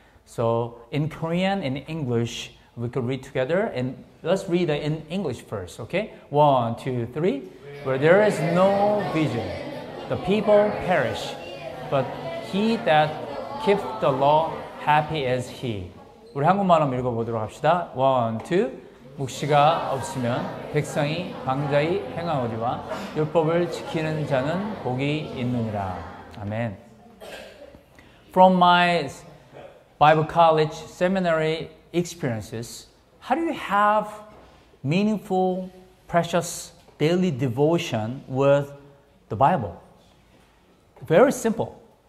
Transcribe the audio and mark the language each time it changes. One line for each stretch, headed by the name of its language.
English: So in Korean and English, we could read together. And let's read in English first, okay? One, two, three. Where there is no vision, the people perish. But he that keeps the law, happy is he.
Korean: 우리 한국말로 읽어보도록 합시다. 1, 2. 묵시가 없으면 백성이 방자히 행하거니와 율법을 지키는 자는 복이 있느니라. 아멘.
English: From my Bible college seminary experiences, how do you have meaningful, precious daily devotion with the Bible? Very simple.